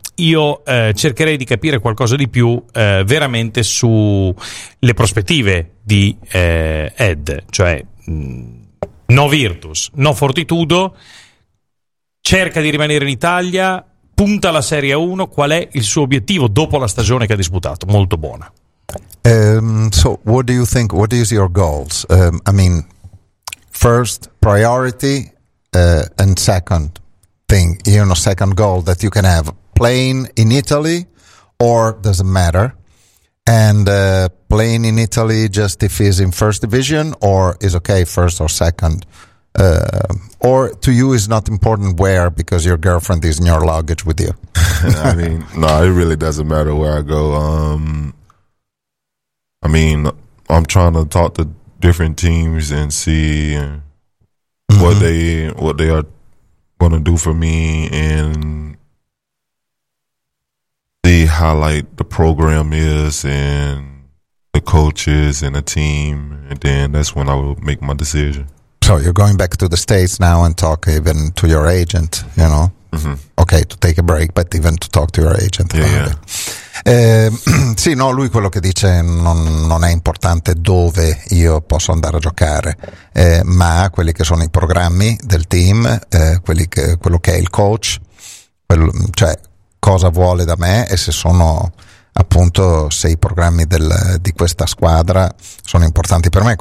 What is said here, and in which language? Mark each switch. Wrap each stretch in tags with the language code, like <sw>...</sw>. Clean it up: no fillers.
<it>io cercherei di capire qualcosa di più veramente su le prospettive di Ed, cioè no Virtus, no Fortitudo, cerca di rimanere in Italia, punta alla Serie A 1, qual è il suo obiettivo dopo la stagione che ha disputato? Molto buona.</it> <en>So what do you think, what is your goals? I mean, first priority and second thing, you know, second goal that you can have, playing in Italy or doesn't matter, and playing in Italy just if he's in first division or is okay first or second, or to you is not important where because your girlfriend is in your luggage with you. I mean, no, it really doesn't matter where I go. I mean, I'm trying to talk to different teams and see what they are going to do for me and see how, like, the program is and the coaches and the team. And then that's when I will make my decision. So you're going back to the States now and talk even to your agent, you know? Mm-hmm. Okay, to take a break, but even to talk to your agent about yeah. it.</en> <it>Sì, no, lui quello che dice non è importante dove io posso andare a giocare, ma quelli che sono i programmi del team, quello che è il coach, cioè cosa vuole da me, e se sono appunto, se i programmi di questa squadra sono importanti per me.</it>